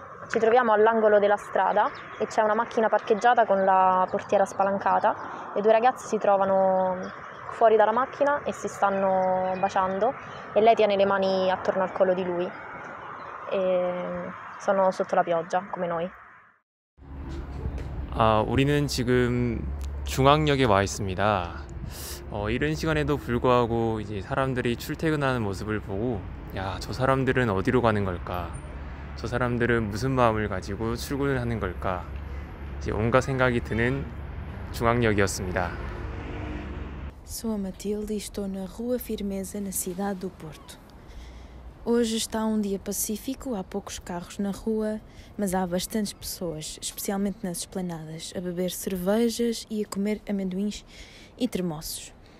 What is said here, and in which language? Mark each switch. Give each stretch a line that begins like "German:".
Italian: Ci troviamo all'angolo della strada e c'è una macchina parcheggiata con la portiera spalancata e due ragazzi si trovano fuori dalla macchina e si stanno baciando e lei tiene le mani attorno al collo di lui e sono sotto la pioggia, come noi.
Korean: Ah, 우리는 지금 중앙역에 와 있습니다. 이른 시간에도 불구하고 이제 사람들이 출퇴근하는 모습을 보고 야, 저 사람들은 어디로 가는 걸까? 저 사람들은 무슨 마음을 가지고 출근을 하는 걸까? 이제 온갖 생각이 드는 중앙역이었습니다.
Portuguese: Sou a Matilde e estou na Rua Firmeza, na cidade do Porto. Hoje está dia pacífico, há poucos carros na rua, mas há bastantes pessoas, especialmente nas esplanadas, a beber cervejas e a comer amendoins e termossos.